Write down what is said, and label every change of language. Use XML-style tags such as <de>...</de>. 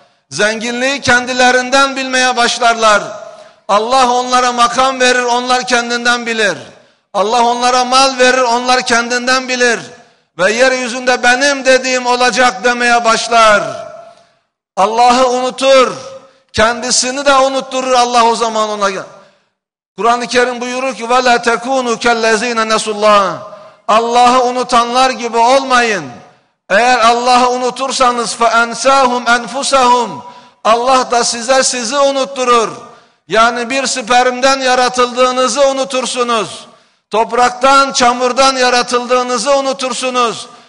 <tr>Zenginliği kendilerinden bilmeye başlarlar. Allah onlara makam verir, onlar kendinden bilir. Allah onlara mal verir, onlar kendinden bilir. Ve yeryüzünde benim dediğim olacak demeye başlar. Allah'ı unutur. Kendisini de unutturur Allah o zaman ona. Kur'an-ı Kerim buyurur ki</tr> <ar>وَلَا تَكُونُوا كَلَّذ۪ينَ نَسُوا اللّٰهِ.</ar> <tr>Allah'ı unutanlar gibi olmayın. Eğer Allah'ı unutursanız</tr> <ar>فَاَنْسَاهُمْ اَنْفُسَهُمْ.</ar> <tr>Allah da size sizi unutturur. Yani bir spermden yaratıldığınızı unutursunuz. Topraktan, çamurdan yaratıldığınızı unutursunuz.</tr>